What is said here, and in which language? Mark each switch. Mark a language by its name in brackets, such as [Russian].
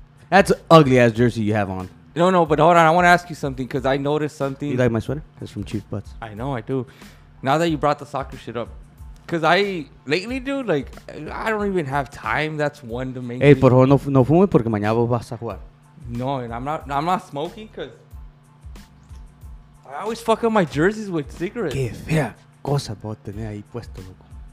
[English] That's an ugly-ass jersey you have on. No, but hold on. I want to ask you something because I noticed something. You like my sweater? It's from Chief Butts. I know, I do. Now that you brought the soccer shit up. Because I, lately, dude, like, I don't even have time. That's one to make. [Spanish] Hey, por favor, no fume porque mañana vos vas a jugar. [English] No, and I'm not smoking because I always fuck up my jerseys with cigarettes. [Spanish] Qué fea cosa puedo tener ahí puesto, loco.